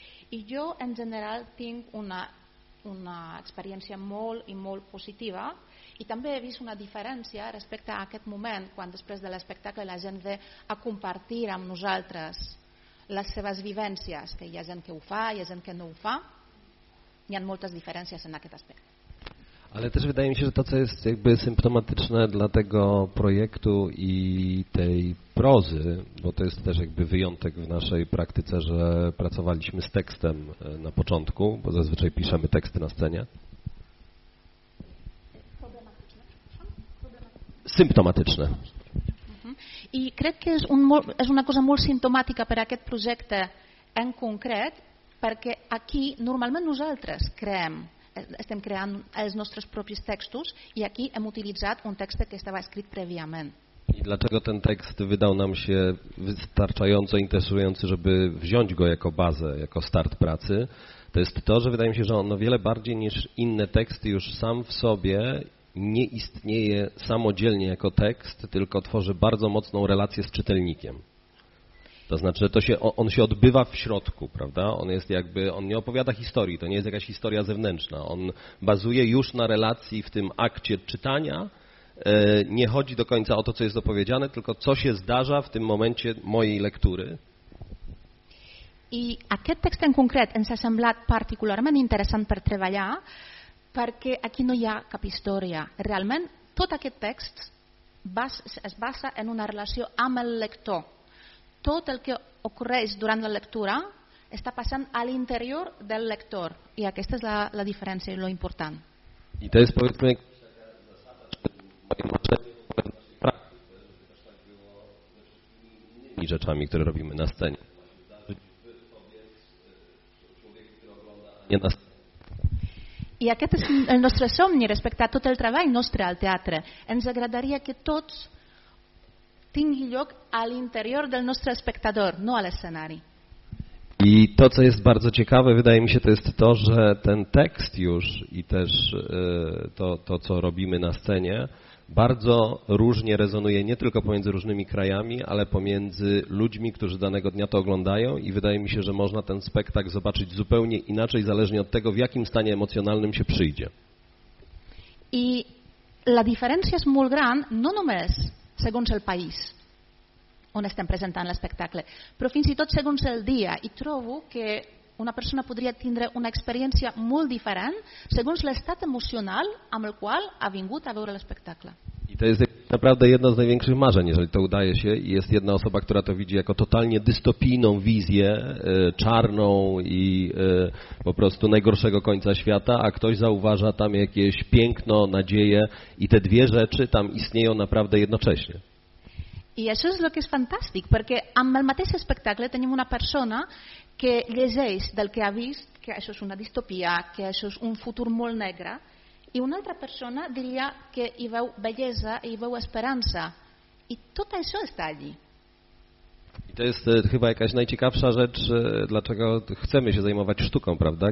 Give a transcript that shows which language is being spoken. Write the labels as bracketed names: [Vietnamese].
[Catalan] I jo, en general, tinc una experiència molt i molt positiva. I també he vist una diferència respecte a aquest moment quan després de l'espectacle la gent ve a compartir amb nosaltres les seves vivències, que hi ha gent que ho fa, hi ha gent que no ho fa. Hi ha moltes diferències en aquest aspecte. [Polish] Ale też wydaje mi się, że to, co jest jakby symptomatyczne dla tego projektu i tej prozy, bo to jest też jakby wyjątek w naszej praktyce, że pracowaliśmy z tekstem na początku, bo zazwyczaj piszemy teksty na scenie. Symptomatyczne. [Catalan] I cred que és una cosa molt simptomàtica per a aquest projecte en concret, perquè aquí normalment nosaltres creem, estem creant els nostres propis textos i aquí hem utilitzat un text que estava escrit prèviament. [Polish] I dlaczego ten tekst wydał nam się wystarczająco interesujący, żeby wziąć go jako bazę, jako start pracy, to jest to, że wydaje mi się, że on o wiele bardziej niż inne teksty już sam w sobie nie istnieje samodzielnie jako tekst, tylko tworzy bardzo mocną relację z czytelnikiem. To znaczy, to się, on się odbywa w środku, prawda? On jest jakby, on nie opowiada historii, to nie jest jakaś historia zewnętrzna. On bazuje już na relacji w tym akcie czytania. Nie chodzi do końca o to, co jest opowiedziane, tylko co się zdarza w tym momencie mojej lektury. [Catalan] I aquest text en concret ens ha semblat particularment interessant per treballar, perquè aquí no hi ha cap història. Realment, tot aquest text es basa en una relació amb el lector. Tot el que ocorreix durant la lectura està passant a l'interior del lector. I aquesta és la diferència i lo important. I després, [Polish] powiedzmy, i rzeczami, które robimy na scenie. [Catalan] I aquest és el nostre somni respecte a tot el treball nostre al teatre. Ens agradaria que tots tingui lloc a l'interior del nostre espectador, no a l'escenari. [Polish] I to, co jest bardzo ciekawe, wydaje mi się, to jest to, że ten tekst już i też to, co robimy na scenie, bardzo różnie rezonuje nie tylko pomiędzy różnymi krajami, ale pomiędzy ludźmi, którzy danego dnia to oglądają i wydaje mi się, że można ten spektakl zobaczyć zupełnie inaczej, zależnie od tego, w jakim stanie emocjonalnym się przyjdzie. [Catalan] I [Spanish] la diferencia es muy [Catalan] gran, no només segons el país on estem presentant l'espectacle, però fins i tot segons el dia, i trobo que una persona podria tindre una experiència molt diferent segons l'estat emocional amb el qual ha vingut a veure l'espectacle. [Polish] I to jest naprawdę jedno z największych marzeń, jeżeli to udaje się i jest jedna osoba, która to widzi jako totalnie dystopijną wizję, czarną i po prostu najgorszego końca świata, a ktoś zauważa tam jakieś piękno, nadzieję i te dwie rzeczy tam istnieją naprawdę jednocześnie. [Catalan] I això és el que és fantàstic, perquè amb el mateix espectacle tenim una persona que llegeix del que ha vist, que això és una distopia, que això és un futur molt negre, i una altra persona diria que hi veu bellesa, hi veu esperança, i tot això està allí. [Polish] I to jest chyba jakaś najciekawsza rzecz, dlaczego chcemy się zajmować sztuką, prawda?